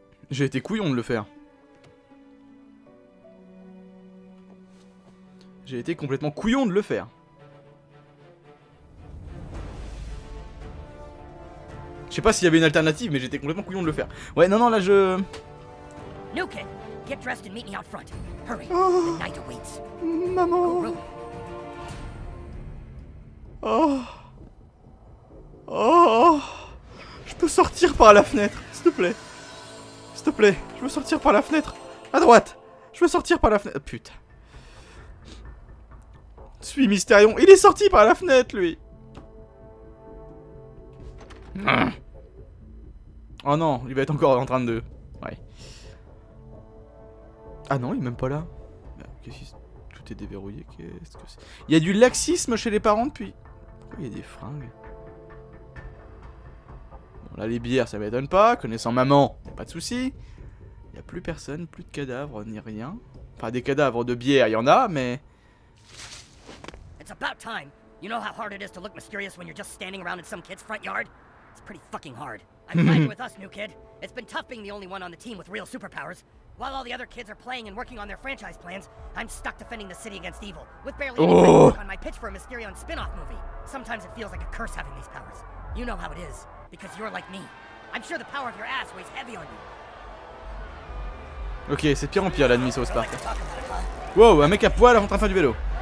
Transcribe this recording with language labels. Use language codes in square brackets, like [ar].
[fr] J'ai été couillon de le faire. J'ai été complètement couillon de le faire. Je sais pas s'il y avait une alternative, mais j'étais complètement couillon de le faire. Ouais, non, non, là, je... [en] New kid, get dressed and meet me out front. Hurry, oh, the night awaits. [fr] Maman. Oh. Oh. Je peux sortir par la fenêtre, s'il te plaît. S'il te plaît, je veux sortir par la fenêtre. À droite. Je veux sortir par la fenêtre. Oh, putain. Je suis Mysterion. Il est sorti par la fenêtre, lui. Oh non, il va être encore en train de... Ouais. Ah non, il est même pas là. Qu'est-ce que... Tout est déverrouillé, qu'est-ce que c'est... Il y a du laxisme chez les parents depuis... Pourquoi il y a des fringues? Bon, là, les bières, ça m'étonne pas. Connaissant maman, y a pas de soucis. Y a plus personne, plus de cadavres, ni rien. Enfin, des cadavres de bière, y en a, mais... [en] It's about time. You know how hard it is to look mysterious when you're just standing around in some kid's front yard? It's pretty fucking hard. I'm fine with us, new kid. It's been tough being the only one on the team with real superpowers. While all the other kids are playing and working on their franchise plans, I'm stuck defending the city against evil, with barely any work on my pitch for a Mysterion spin-off movie. Sometimes it feels like a curse having these powers. You know how it is, because you're like me. I'm sure the power of your ass weighs heavy on you. [fr] Ok, c'est pire en pire la nuit, ça pas. Wow, un mec à poil en train de faire du vélo.